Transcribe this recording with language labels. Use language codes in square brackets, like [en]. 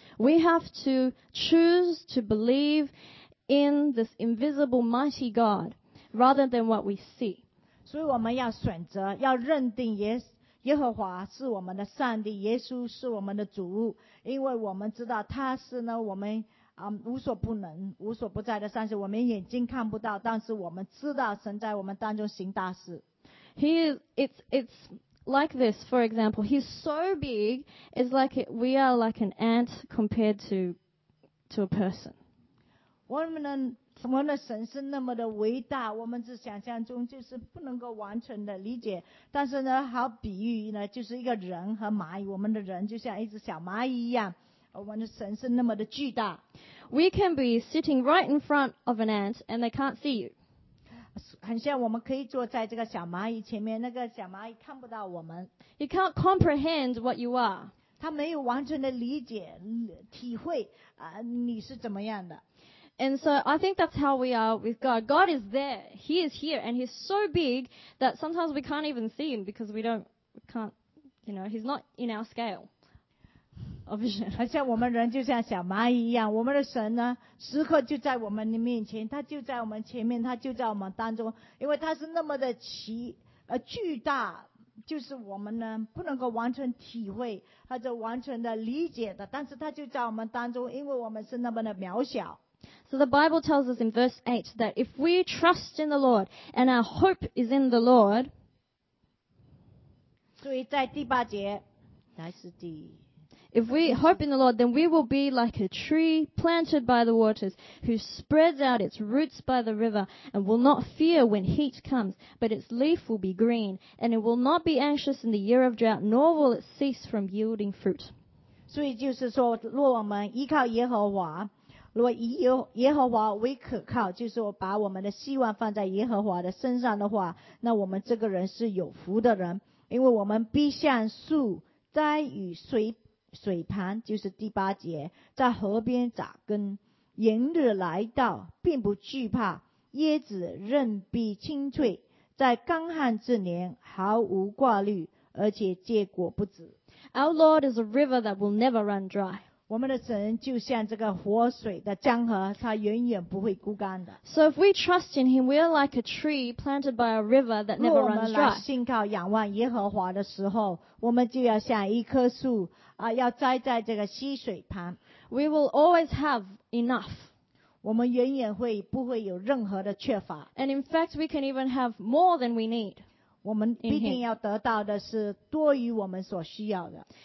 [en] We have to choose to believe in this invisible mighty God rather than what we see. [zh] 所以我们要选择，要认定耶和华是我们的上帝，耶稣是我们的主，因为我们知道他是呢我们无所不能、无所不在的上帝。我们眼睛看不到，但是我们知道神在我们当中行大事。 [en] It's like this. For example, he's so big, it's like we are like an ant compared to a person. [zh] 我们的神是那么的伟大，我们是想象中就是不能够完全的理解。但是呢，好比喻呢，就是一个人和蚂蚁，我们的人就像一只小蚂蚁一样，我们的神是那么的巨大。 [en] We can be sitting right in front of an ant and they can't see you. [zh] 很像我们可以坐在这个小蚂蚁前面，那个小蚂蚁看不到我们。 [en] You can't comprehend what you are. [zh] 他没有完全的理解、体会你是怎么样的。 [en] And so I think that's how we are with God. God is there. He is here. And he's so big that sometimes we can't even see him because we can't, he's not in our scale of vision. [zh] 好像我们人就像小蚂蚁一样，我们的神呢，时刻就在我们的面前，他就在我们前面，他就在我们当中，因为他是那么的巨大，就是我们呢不能够完全体会或者完全的理解的，但是他就在我们当中，因为我们是那么的渺小。 [en] So the Bible tells us in verse 8 that if we trust in the Lord and our hope is in the Lord, [zh] 所以在第八节, [en] if we hope in the Lord, then we will be like a tree planted by the waters, who spreads out its roots by the river and will not fear when heat comes, but its leaf will be green, and it will not be anxious in the year of drought, nor will it cease from yielding fruit. [zh] 所以就是说,若我们依靠耶和华,如果以耶和华为可靠，就是我把我们的希望放在耶和华的身上的话，那我们这个人是有福的人，因为我们必像树栽于水旁，就是第八节，在河边扎根，炎热来到并不惧怕，叶子韧必清脆，在干旱之年毫无挂虑，而且结果不止。 [en] Our Lord is a river that will never run dry. [zh] 我们的神就像这个活水的江河，它远远不会枯干的。 [en] So if we trust in Him, we are like a tree planted by a river that never runs dry. [zh] 若我们来信靠仰望耶和华的时候，我们就要像一棵树啊，要栽在这个溪水旁。 [en] We will always have enough. [zh] 我们远远会不会有任何的缺乏。 [en] And in fact, we can even have more than we need. [zh] 我们必定要得到的是多于我们所需要的。